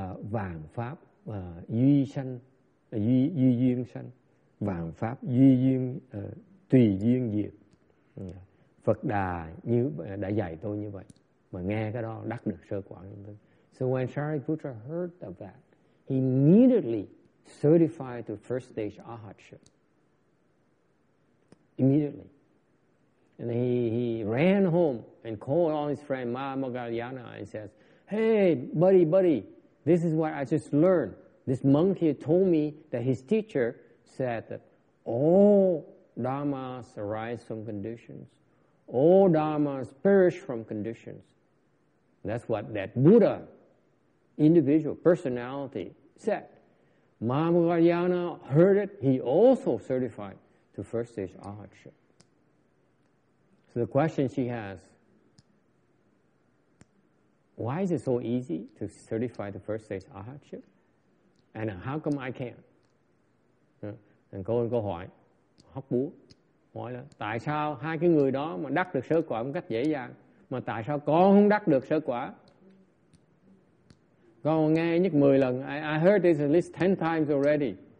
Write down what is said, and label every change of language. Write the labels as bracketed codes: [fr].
[vi] Vàng pháp duy sanh, duy duyên sanh, vàng pháp duy duyên tùy duyên diệt. Phật Đà như đã dạy tôi như vậy, mà nghe cái đó đắc được sơ quả. [en] So when Shariputra heard of that, he immediately certified to first stage arhatship. Immediately, and he ran home and called on his friend Mahamoggallana and says, "Hey, buddy, this is what I just learned. This monk here told me that his teacher said that all dharmas arise from conditions. All dharmas perish from conditions. That's what that Buddha, individual, personality, said. Mahamoggallana heard it. He also certified to first stage arhatship." So the question she has, why is it so easy to certify the first stage arhatship? And how come I can't? [vi] And go hỏi, hóc búa, hỏi là tại sao hai cái người đó mà đắc được sơ quả một cách dễ dàng, mà tại sao con không đắc được sơ quả? Con nghe nhất 10 lần. [en] I heard this at least 10 times already.